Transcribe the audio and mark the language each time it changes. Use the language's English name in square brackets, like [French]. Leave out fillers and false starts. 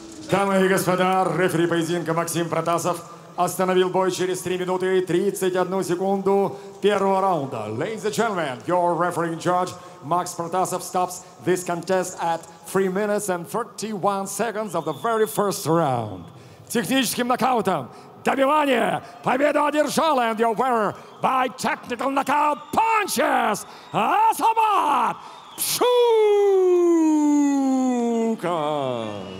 [Russian] Дамы и господа, рефери поединка Максим Протасов остановил бой через 3 минуты и 31 секунду первого раунда. [English] Ladies and gentlemen, your referee in charge, Max Protasov, stops this contest at 3 minutes and 31 seconds of the very first round. [Russian] Техническим нокаутом добивание победу одержал, [English] and your winner by technical knockout punches, [Russian] Азамат Шуков.